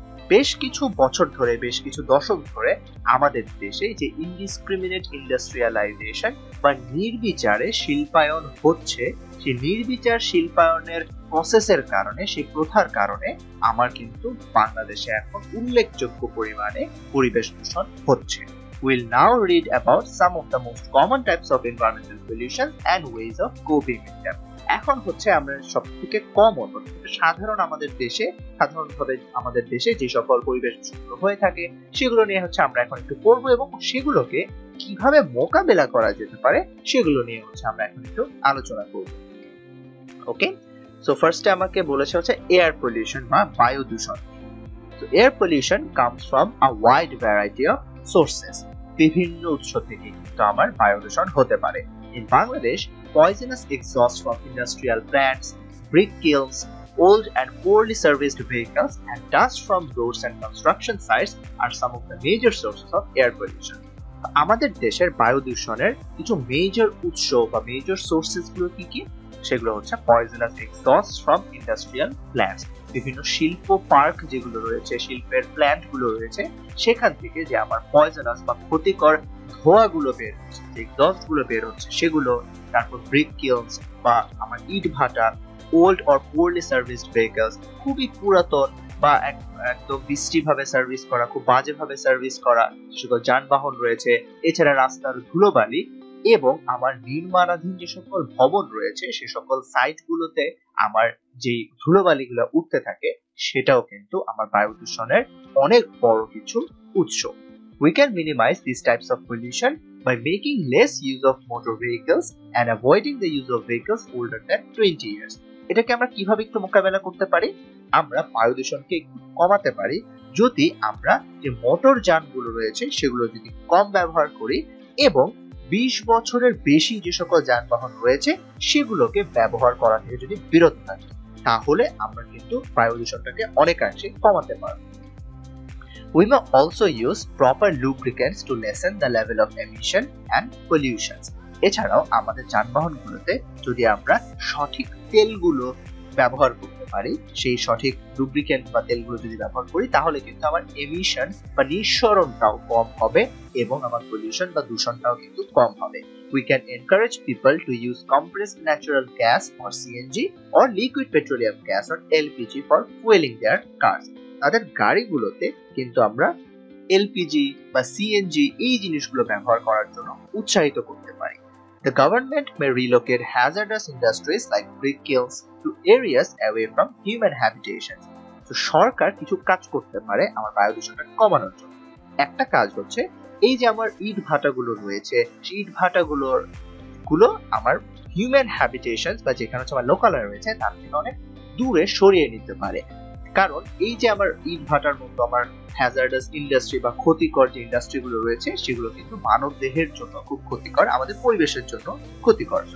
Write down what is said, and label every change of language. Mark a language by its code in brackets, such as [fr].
[bn] বেশ কিছু বছর ধরে বেশ কিছু দশক ধরে আমাদের দেশে যে ইনডিসক্রিমিনেট ইন্ডাস্ট্রিয়ালাইজেশন বা নির্বিচারে শিল্পায়ন হচ্ছে সেই নির্বিচার শিল্পায়নের প্রসেসের কারণে সেই প্রথার কারণে আমার কিন্তু বাংলাদেশে এখন উল্লেখযোগ্য পরিমাণে পরিবেশ দূষণ হচ্ছে [en] We'll now read about some of the most common types of environmental pollution and ways of coping with them. [bn] এখন হচ্ছে আমরা সবথেকে কমন সাধারণ আমাদের দেশে সাধারণভাবে আমাদের দেশে যে সকল পরিবেশ দূষণ হয়ে থাকে সেগুলো নিয়ে হচ্ছে আমরা এখন একটু পড়বো এবং সেগুলোকে কিভাবে মোকাবেলা করা যেতে পারে সেগুলো নিয়ে হচ্ছে আমরা এখন একটু আলোচনা করবো। ওকে, সো ফার্স্টে আমাকে বলেছে হচ্ছে এয়ার পলিউশন বা বায়ু দূষণ। [en] so air pollution comes from a wide variety of sources, [bn] বিভিন্ন উৎস থেকে কিন্তু আমার বায়ু দূষণ হতে পারে। [en] In Bangladesh poisonous exhaust from industrial plants, brick kilns, old and poorly serviced vehicles, and dust from roads and construction sites are some of the major sources of air pollution. [bn] আমাদের দেশের বায়ু দূষণের কিছু major উৎস বা major sources গুলো কি কি? সেগুলো হচ্ছে [en] poisonous exhaust from industrial plants. [bn] বিভিন্ন শিল্প পার্ক যেগুলো রয়েছে, শিল্পের প্ল্যান্ট গুলো রয়েছে, সেখান থেকে যে আমার poisonous বা ক্ষতিকর ধোঁয়াগুলো বের হচ্ছে, যে exhaust গুলো বের হচ্ছে সেগুলো, তারপর ব্রিক কিলনস বা আমার ইট ভাটা, [en] old or poorly serviced vehicles, [bn] খুবই পুরাতন বা একদম বিশ্রীভাবে সার্ভিস করা, খুব বাজেভাবে সার্ভিস করা সকল যানবাহন রয়েছে, এছাড়া রাস্তার ধুলোবালি এবং আমার নির্মাণাধীন যে সকল ভবন রয়েছে সে সকল সাইটগুলোতে আমার যেই ধুলোবালিগুলো উঠতে থাকে সেটাও কিন্তু আমার বায়ু দূষণের অনেক বড় কিছু উৎস। [en] We can minimize this types of pollution by making less use of motor vehicles and avoiding the use of vehicles older than 20 years. [bn] এটাকে আমরা কিভাবে একটু মোকাবেলা করতে পারি? আমরা বায়ু দূষণকে কমাতে পারি যদি আমরা যে মোটর যানগুলো রয়েছে সেগুলো যদি কম ব্যবহার করি এবং 20 বছরের বেশি যে সকল যানবাহন রয়েছে সেগুলোকে ব্যবহার করা থেকে যদি বিরত থাকি তাহলে আমরা কিন্তু বায়ু দূষণটাকে অনেকাংশে কমাতে পারব। [en] We may also use proper lubricants to lessen the level of emission and pollutions. [bn] এছাড়াও আমাদের যানবাহনগুলোতে যদি আমরা সঠিক তেলগুলো ব্যবহার করতে পারি, সেই সঠিক লুব্রিকেন্ট বা তেলগুলো যদি ব্যবহার করি তাহলে কিন্তু আমার এমিশন বা নিঃসরণটাও কম হবে এবং আমার পলিউশন বা দূষণটাও কিন্তু কম হবে। [en] We can encourage people to use compressed natural gas or CNG or liquid petroleum gas or LPG for fueling their cars. [bn] তাদের গাড়িগুলোতে কিন্তু আমরা এলপিজি বা সিএনজি এই জিনিসগুলো ব্যবহার করার জন্য উৎসাহিত করতে পারি। [en] The government may relocate hazardous industries like brick kilns to areas away from human habitations. [bn] তো সরকার কিছু কাজ করতে পারে আমার বায়ু দূষণটা কমানোর জন্য। একটা কাজ হচ্ছে এই যে আমার ইট ভাটাগুলো রয়েছে, সেই ইট ভাটাগুলোর গুলো আমার হিউম্যান হ্যাবিটেশনস বা যেখানে হচ্ছে আমার লোকালয় রয়েছে তার থেকে অনেক দূরে সরিয়ে নিতে পারে। কারণ এই যে আমার ইট ভাটার মতো আমার হ্যাজার্ডাস ইন্ডাস্ট্রি বা ক্ষতিকর যে ইন্ডাস্ট্রিগুলো রয়েছে সেগুলো কিন্তু মানব দেহের জন্য খুব ক্ষতিকর, আমাদের পরিবেশের জন্য ক্ষতিকর।